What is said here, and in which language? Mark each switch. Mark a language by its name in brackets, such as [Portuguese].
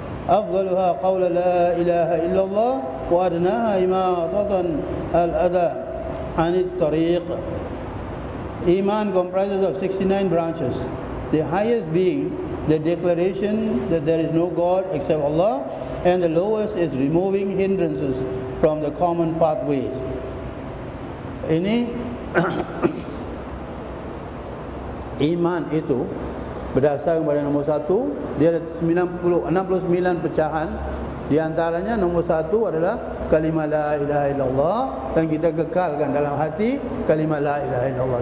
[Arabic] أفضلها قول لا إله إلا الله وأدناها إماطة الأذى عن الطريق. [English] Iman comprises of 69 branches. The highest being the declaration that there is no God except Allah, and the lowest is removing hindrances from the common pathways. [Malay] Ini iman itu berdasarkan pada nombor satu, dia ada 69 pecahan Di antaranya nombor satu adalah kalimah [Arabic] la ilaha illallah, [Malay] dan kita kekalkan dalam hati kalimah la ilaha illallah.